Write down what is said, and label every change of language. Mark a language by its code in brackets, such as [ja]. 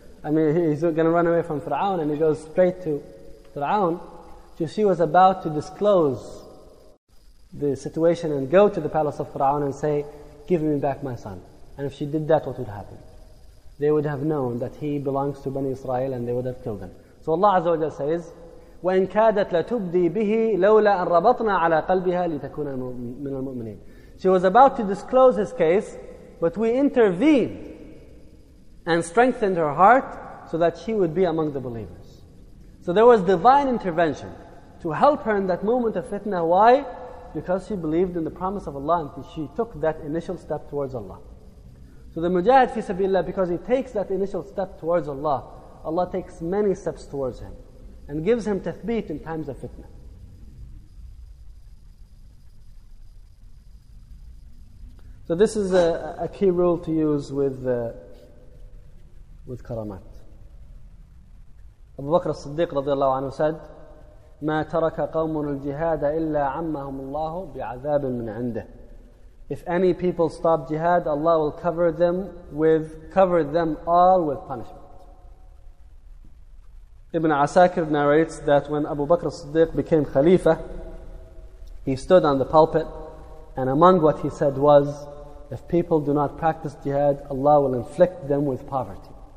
[en] I mean, he's going to run away from Fir'aun and he goes straight to Fir'aun. So she was about to disclose the situation and go to the palace of Fir'aun and say, give me back my son. And if she did that, what would happen? They would have known that he belongs to Bani Israel and they would have killed him. [ar] So Allah Azza wa Jalla says, وَإِنْ كَادَتْ لَتُبْدِي بِهِ لَوْلَا أَنْ رَبَطْنَا عَلَىٰ قَلْبِهَا لِتَكُونَ مِنَ الْمُؤْمِنِينَ. [en] She was about to disclose his case, but we intervened and strengthened her heart so that she would be among the believers. So there was divine intervention to help her in that moment of fitna. Why? Because she believed in the promise of Allah and she took that initial step towards Allah. So the mujahid fi sabilillah, because he takes that initial step towards Allah, Allah takes many steps towards him and gives him tathbeet in times of fitna. So this is a key rule to use with karamat. [ar] Abu Bakr as-Siddiq radiallahu anhu said, مَا تَرَكَ قَوْمٌ الْجِهَادَ إِلَّا عَمَّهُمُ اللَّهُ بِعَذَابٍ مِّنْ عِنْدِهِ. [en] If any people stop jihad, Allah will cover them all with punishment. Ibn Asakir narrates that when Abu Bakr as-Siddiq became Khalifa, he stood on the pulpit, and among what he said was, if people do not practice jihad, Allah will inflict them with poverty.